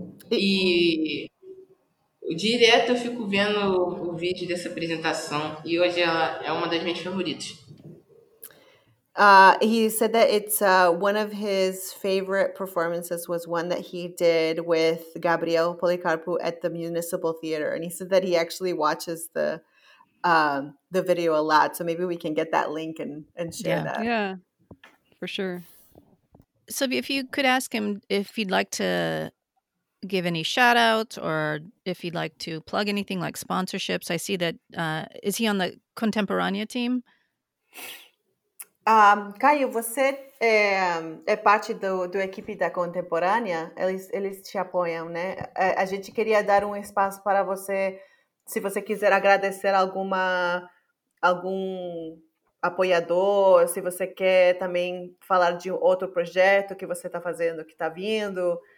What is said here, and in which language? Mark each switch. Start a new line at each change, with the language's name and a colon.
Portuguese: E direto eu fico vendo o vídeo dessa apresentação, e hoje ela é uma das minhas favoritas.
English: He said that it's one of his favorite performances was one that he did with Gabriel Policarpo at the Municipal Theater, and he said that he actually watches the video a lot. So maybe we can get that link and share that. Yeah, for sure. So if you could ask him if he'd like to give any shout outs or if he'd like to plug anything like sponsorships, I see that is he on the Contemporânea team?
Portuguese: Caio, você é parte do equipe da Contemporânea? Eles te apoiam, né? A gente queria dar um espaço para você, se você quiser agradecer algum apoiador, se você quer também falar de outro projeto que você está fazendo, que está vindo.